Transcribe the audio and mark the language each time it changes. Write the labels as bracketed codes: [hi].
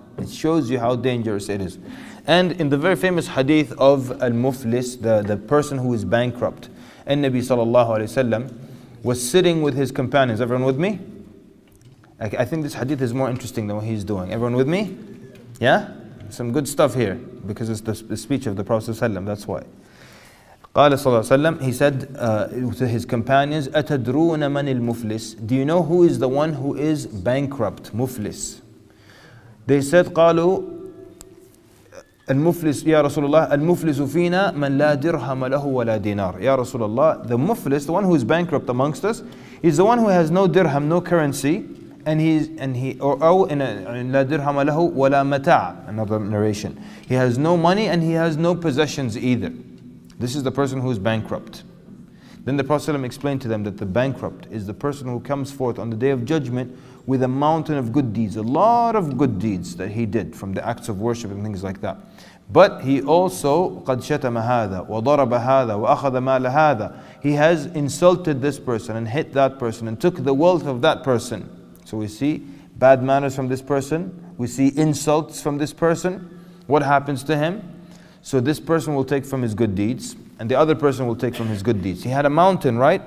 [en] It shows you how dangerous it is. And in the very famous hadith of al-muflis, the person who is bankrupt, and Nabi sallallahu alayhi wa sallam was sitting with his companions. Everyone with me? I think this hadith is more interesting than what he's doing. Everyone with me? Yeah? Some good stuff here, because it's the speech of the Prophet sallallahu alayhi wa sallam, that's why. [ar] قال صلى الله عليه وسلم, [en] he said to his companions, [ar] أتدرون من المفلس? [en] Do you know who is the one who is bankrupt, مفلس? They said, [ar] قالوا المفلس يا رسول الله المفلس فينا من لا درهم له ولا دينار. يا رسول الله, [en] the مفلس, the one who is bankrupt amongst us, is the one who has no dirham, no currency, and he [ar] لا درهم له ولا متاع. [en] Another narration. He has no money and he has no possessions either. This is the person who is bankrupt. Then the Prophet ﷺ explained to them that the bankrupt is the person who comes forth on the Day of Judgment with a mountain of good deeds, a lot of good deeds that he did from the acts of worship and things like that. But he also, [ar] قَدْ شَتَمَ هَذَا وَضَرَبَ هَذَا وَأَخَذَ مَالَ هَذَا. [en] He has insulted this person and hit that person and took the wealth of that person. So we see bad manners from this person. We see insults from this person. What happens to him? So this person will take from his good deeds, and the other person will take from his good deeds. He had a mountain, right?